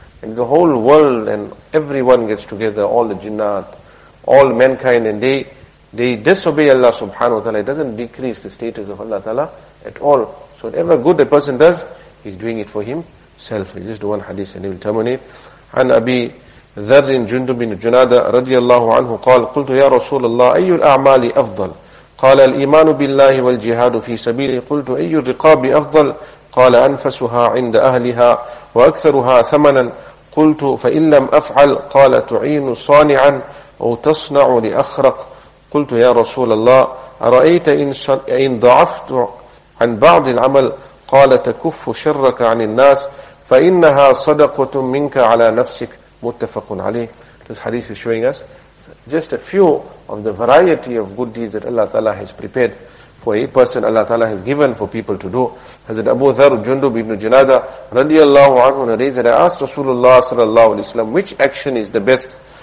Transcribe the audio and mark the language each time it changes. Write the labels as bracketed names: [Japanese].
[English] And if the whole world and everyone gets together, all the jinnat, all mankind, and they disobey Allah subhanahu wa ta'ala, it doesn't decrease the status of Allah Ta'ala at all. So whatever good a person does, he's doing it for himself. This is the one hadith, and he will terminate. [Arabic] عن أبي ذر جندب بن جنادة رضي الله عنه قال قلت يا رسول الله أي الأعمال أفضل قال الإيمان بالله والجهاد في سبيله قلت أي الرقاب أفضل قال أنفسها عند أهلها وأكثرها ثمنا قلت فإن لم أفعل قال تعين صانعا أو تصنع لأخرق قلت يا رسول الله أرأيت إن ضعفت عن بعض العمل قال تكف شرك عن الناس فإنها صدقة منك على نفسك متفق عليه. [English] This hadith is showing us just a few of the variety of good deeds that Allah Ta'ala has prepared for a person, Allah Ta'ala has given for people to do. Hazrat Abu Dharr Jundub ibn Junada radiallahu anhu narrates that I asked Rasulullah sallallahu alayhi wa sallam, which action is the best?